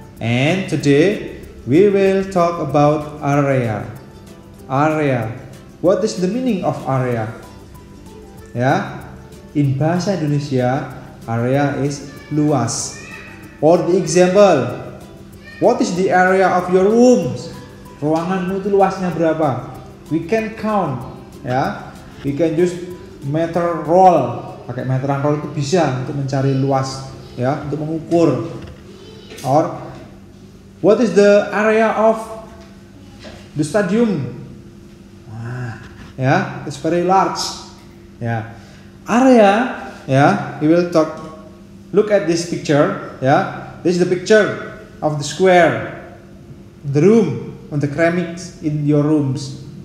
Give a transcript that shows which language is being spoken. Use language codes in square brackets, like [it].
[en] And today, we will talk about area. Area. What is the meaning of area? Yeah. In Bahasa Indonesia, area is luas. For the example, what is the area of your rooms? [id] Ruanganmu itu luasnya berapa? [en] We can count, yeah. We can use meter roll. [id] Pakai meteran roll itu bisa untuk mencari luas, yeah, untuk mengukur. [en] Or what is the area of the stadium? Yeah, it's very large. Yeah, area. Yeah, we will talk. Look at this picture. Yeah, this is the picture of the square, the room, on the ceramics in your rooms.